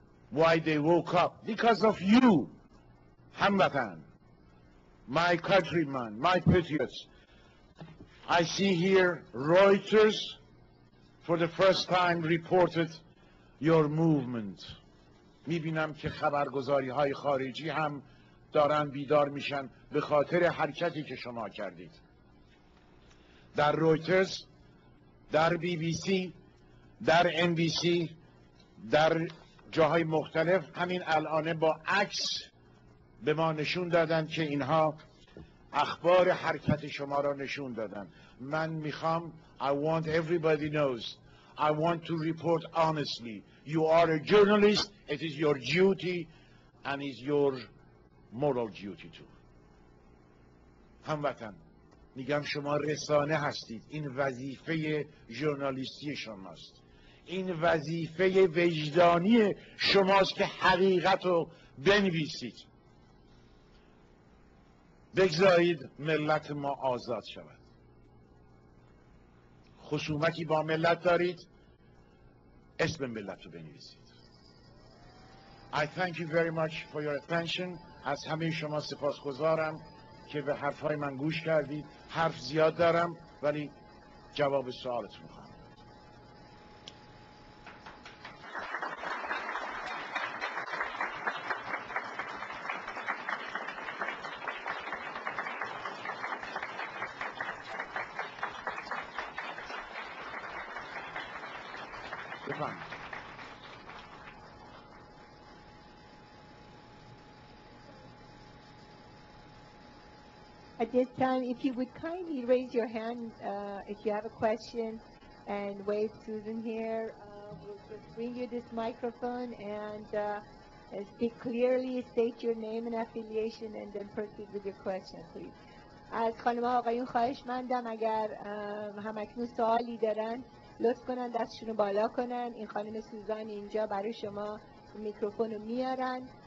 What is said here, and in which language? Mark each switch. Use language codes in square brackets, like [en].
[en] Why they woke up? Because of you, Hamvatan, my countryman, my patriots. I see here Reuters for the first time reported your movement. [fa] میبینم که خبرگزاری های خارجی هم دارن بیدار میشن به خاطر حرکتی که شما کردید. در رویترز، در بی بی سی، در ام بی سی، در جاهای مختلف همین الان با عکس به ما نشون دادن که اینها اخبار حرکت شما را نشون دادن. من میخوام [en] I want everybody knows. I want to report honestly. You are a journalist. It is your duty and is your moral duty too. [fa] هموطن، میگم شما رسانه هستید. این وظیفه ژورنالیستی شماست. این وظیفه وجدانی شماست که حقیقت رو بنویسید. بگذارید ملت ما آزاد شود. خصومتی با ملت دارید؟ اسم ملت رو بنویسید. [en] I thank you very much for your attention. [fa] از همه شما سپاسگزارم که به حرفای من گوش کردید. حرف زیاد دارم ولی جواب سوالتون خواهم. [en] At this time, if you would kindly raise your hand if you have a question and wave Susan here, we'll just bring you this microphone and speak clearly, state your name and affiliation and then proceed with your question, please. [fa] از خانم‌ها و آقایون خواهش مندم اگر هم‌اکنون سوالی دارن لطف کنن دستشون رو بالا کنن. این خانم سوزان اینجا برای شما میکروفون رو میارن.